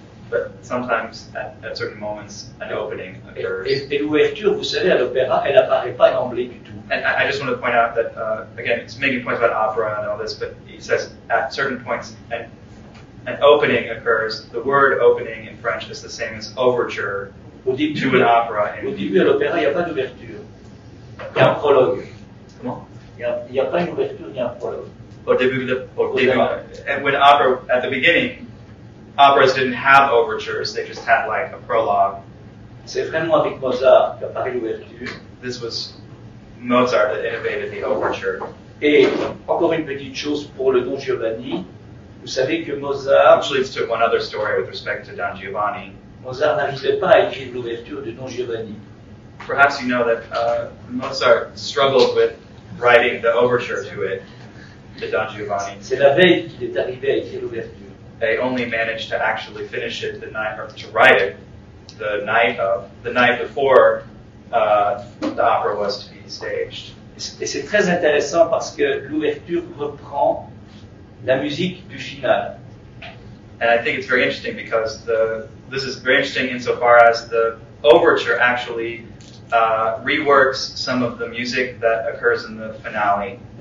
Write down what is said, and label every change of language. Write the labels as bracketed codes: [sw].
[en] But sometimes at certain moments an opening occurs. [fr] Et l'ouverture, vous savez, à l'opéra, elle apparaît pas d'emblée du tout. [en] And I just want to point out that again, it's making points about opera and all this, but he says at certain points an opening occurs. The word opening in French is the same as overture to an opera. [fr] Au début, à l'opéra, il n'y a pas d'ouverture. Il y a un prologue. Comment? Il n'y a pas une ouverture, il y a un prologue. [en] At the beginning, operas didn't have overtures, they just had like a prologue. [fr] C'est vraiment avec Mozart qu'apparaît l'ouverture. [en] This was Mozart that innovated the overture. [fr] Et encore une petite chose pour le Don Giovanni. Vous savez que Mozart. [en] Which leads to one other story with respect to Don Giovanni. [fr] Mozart n'arrivait pas à écrire l'ouverture de Don Giovanni. [en] Perhaps you know that Mozart struggled with writing the overture to it, to Don Giovanni. [fr] C'est la veille qu'il est arrivé à écrire l'ouverture. [en] They only managed to actually finish it the night, or to write it the night before the opera was to be staged. [fr] Et c'est très intéressant parce que l'ouverture reprend la musique du final. [en] And I think it's very interesting because this is very interesting insofar as the overture actually reworks some of the music that occurs in the finale.